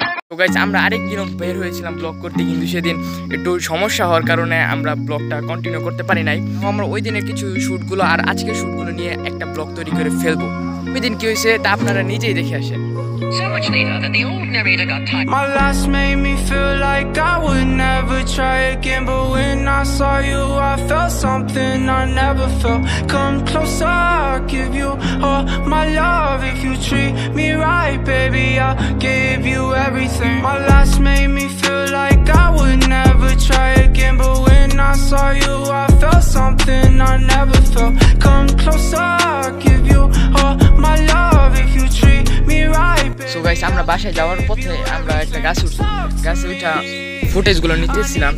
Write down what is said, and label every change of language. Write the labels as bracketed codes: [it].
[bn] তো গাইস আমরা আরেকদিন বের হয়েছিলাম ব্লগ করতে, কিন্তু সেদিন একটু সমস্যা হওয়ার কারণে আমরা ব্লগটা কন্টিনিউ করতে পারি নাই। আমরা ওই দিনের কিছু শ্যুটগুলো আর আজকের শ্যুটগুলো নিয়ে একটা ব্লগ তৈরি করে ফেলবো। ওই দিন কি হয়েছে তা আপনারা নিজেই দেখে আসেন। [en] So much later than the old narrator got time. My last made me feel like I would never try again. But when I saw you, I felt something I never felt. Come closer, I'll give you all my love. If you treat me right, baby, I'll give you everything. My last made me feel like I would never try again. But when I saw you, I felt something I never felt. Come closer, I'll give you all my love. If you treat me right. [bn] So guys আমরা বাসায় যাওয়ার পথে আমরা একটা গাছ উঠছি, গাছে উঠা ফুটেজগুলো নিতেছিলাম।